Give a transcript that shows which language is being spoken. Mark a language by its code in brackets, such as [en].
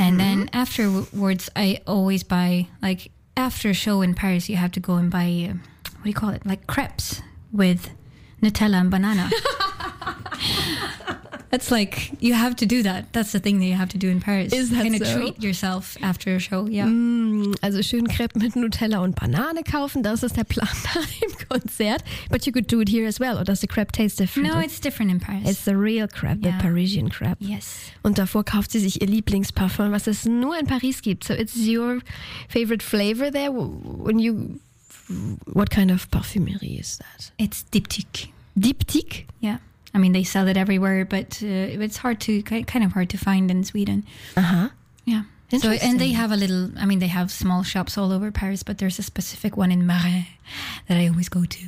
[en] And then afterwards, I always buy, like after a show in Paris, you have to go and buy, what do you call it? Like crepes with Nutella and banana. That's like, you have to do that. That's the thing that you have to do in Paris. Is that so? You're going to treat yourself after a show, yeah. [de] Also schön Crepe mit Nutella und Banane kaufen, das ist der Plan nach dem Konzert. [en] But you could do it here as well, or does the crepe taste different? No, it's different in Paris. It's the real crepe, the Parisian crepe. Yes. [de] Und davor kauft sie sich ihr Lieblingsparfum, was es nur in Paris gibt. [en] So it's your favorite flavor there? When you, what kind of parfumerie is that? It's Diptyque. Diptyque? Yeah. I mean, they sell it everywhere, but it's kind of hard to find in Sweden. Uh-huh. Yeah. So, and they have they have small shops all over Paris, but there's a specific one in Marais that I always go to.